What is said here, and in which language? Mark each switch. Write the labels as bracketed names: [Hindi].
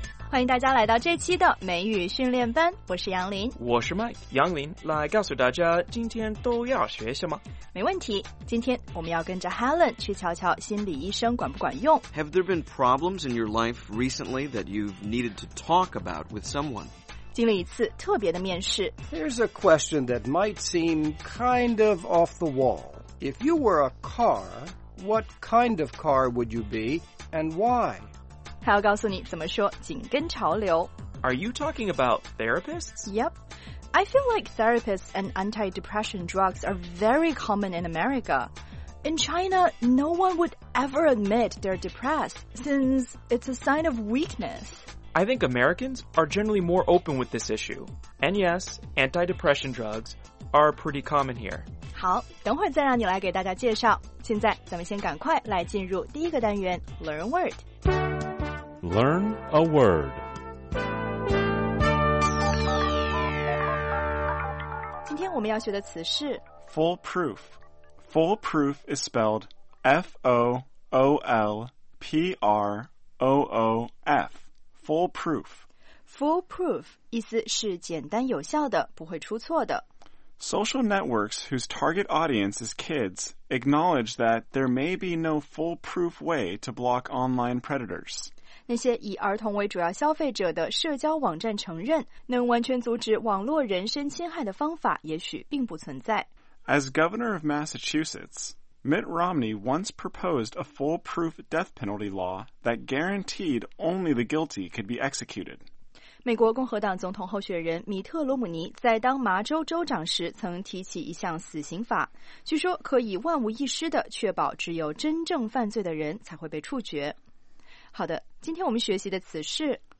[Chinese] 欢迎大家来到这期的美语训练班，我是杨林。我是 Mike， 杨林来告诉大家今天都要学什么。没问题，今天我们要跟着 Helen 去瞧瞧心理医生管不管用。 [English] Have there been problems in your life recently that you've needed to talk about with someone? [Chinese] 经历一次特别的面试。 [English] Here's a question that might seem kind of off the wall. If you were a car, what kind of car would you be and why? [Chinese] 还要告诉你怎么说紧跟潮流。 [English] Are you talking about therapists? Yep. I feel like therapists and anti-depression drugs are very common in America. In China, no one would ever admit they're depressed since it's a sign of weakness. I think Americans are generally more open with this issue. And yes, anti-depression drugs are pretty common here. [Chinese] 好，等会再让你来给大家介绍。现在咱们先赶快来进入第一个单元 ,Learn Word。 [English] Learn a word. [Chinese] 今天我们要学的词是 [English] foolproof. Foolproof is spelled F-O-O-L-P-R-O-O-F. Foolproof. [Chinese] Foolproof 意思是简单有效的，不会出错的。 [English] Social networks whose target audience is kids acknowledge that there may be no foolproof way to block online predators. [Chinese] 那些以儿童为主要消费者的社交网站承认，能完全阻止网络人身侵害的方法也许并不存在。 [English] As governor of Massachusetts,Mitt Romney once proposed a foolproof death penalty law that guaranteed only the guilty could be executed. [Chinese] 美国共和党总统候选人米特·罗姆尼在当麻州州长时曾提起一项死刑法，据说可以万无一失地确保只有真正犯罪的人才会被处决。好的，今天我们学习的词是